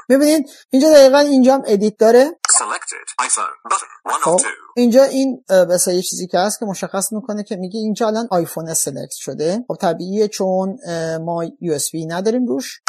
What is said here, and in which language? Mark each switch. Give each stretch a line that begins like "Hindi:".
Persian: میبینید اینجا دقیقا اینجا هم ادیت داره.
English: Selected, iPhone, button, one of two.
Persian: اینجا این مثلا یه چیزی که هست که مشخص میکنه که میگه اینجا الان آیفون سلکت شده. خب طبیعیه چون ما USB نداریم روش.